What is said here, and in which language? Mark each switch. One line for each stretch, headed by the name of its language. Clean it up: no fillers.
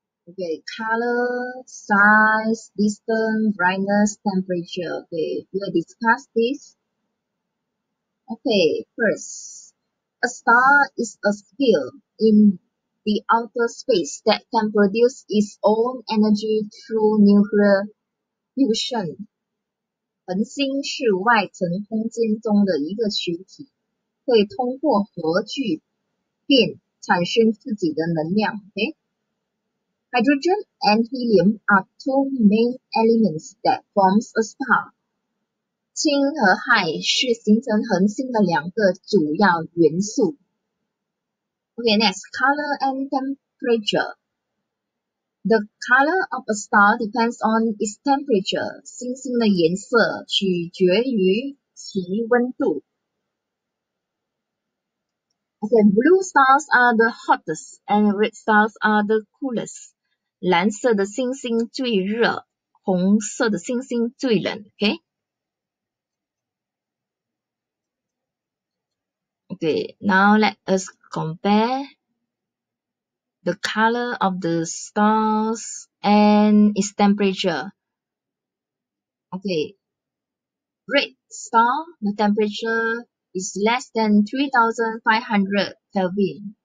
English: Okay, color, size, distance, brightness, temperature. Okay, we'll discuss this. Okay, first, a star is a sphere in the outer space that can produce its own energy through nuclear fusion.
Chinese: 恒星是外层空间中的一个球体，会通过核聚变产生自己的能量。
English: Okay? Hydrogen and helium are two main elements that forms a star.
Chinese: 氢和氦是形成恒星的两个主要元素。
English: Okay, next, color and temperature. The color of a star depends on its temperature.
Chinese: 星星的颜色取决于其温度。
English: Okay, blue stars are the hottest and red stars are the coolest.
Chinese: 蓝色的星星最热，红色的星星最冷。
English: Okay, now let us compare the color of the stars and its temperature. Okay, red star, the temperature is less than 3,500 Kelvin.